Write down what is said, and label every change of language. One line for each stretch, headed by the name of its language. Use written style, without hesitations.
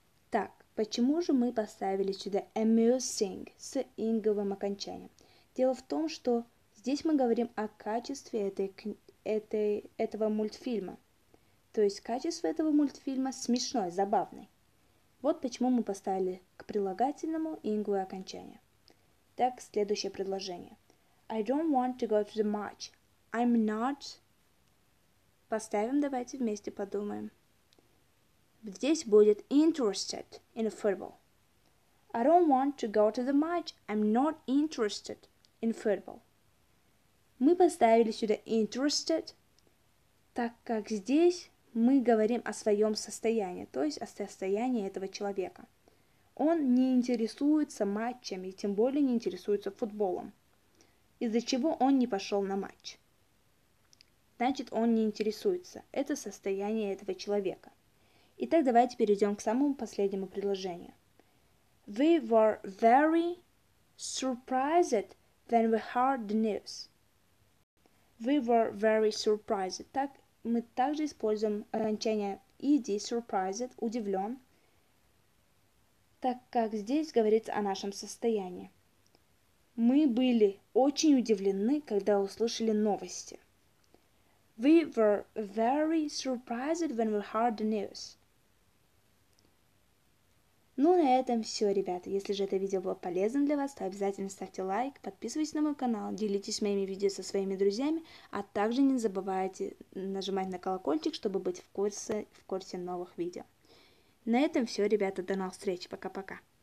Russian: Так, почему же мы поставили сюда amusing с инговым окончанием? Дело в том, что Здесь мы говорим о качестве этого мультфильма. То есть качество этого мультфильма смешной, забавный. Вот почему мы поставили к прилагательному ингу окончание. Так, следующее предложение.
English: I don't want to go to the match. I'm not.
Russian: Поставим, давайте вместе подумаем. Здесь будет
English: interested in football. I don't want to go to the match. I'm not interested in football.
Russian: Мы поставили сюда interested, так как здесь мы говорим о своем состоянии, то есть о состоянии этого человека. Он не интересуется матчами, тем более не интересуется футболом, из-за чего он не пошел на матч. Значит, он не интересуется. Это состояние этого человека. Итак, давайте перейдем к самому последнему предложению.
English: We were very surprised when we heard the news. We were very surprised.
Russian: Так, мы также используем окончание ed, surprised, удивлен, так как здесь говорится о нашем состоянии. Мы были очень удивлены, когда услышали новости.
English: We were very surprised when we heard the news.
Russian: Ну, на этом все, ребята. Если же это видео было полезным для вас, то обязательно ставьте лайк, подписывайтесь на мой канал, делитесь моими видео со своими друзьями, а также не забывайте нажимать на колокольчик, чтобы быть в курсе новых видео. На этом все, ребята. До новых встреч. Пока-пока.